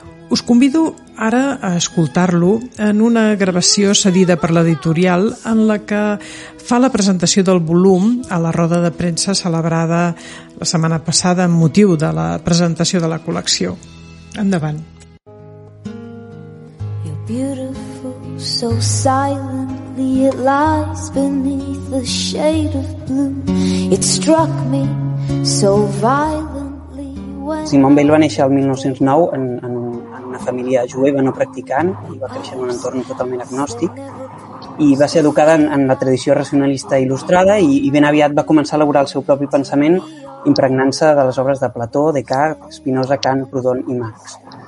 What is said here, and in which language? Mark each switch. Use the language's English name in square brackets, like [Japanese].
[Catalan] Us convido ara a escoltar-lo en una gravació cedida per l'editorial en la que fa la presentació del volum a la roda de premsa celebrada la setmana passada amb motiu de la presentació de la col·lecció. Endavant. [English] You're beautiful, so silently it lies beneath the shade of blue. It struck me so violently when... [Catalan] Simone Weil va néixer el 1909 en una família jueva no practicant i va créixer en un entorn totalment agnòstic. I va ser educada en la tradició racionalista il·lustrada i ben aviat va començar a elaborar el seu propi pensament impregnant-se de les obres de Plató, Descartes, Spinoza, Kant, Proudhon i Marx.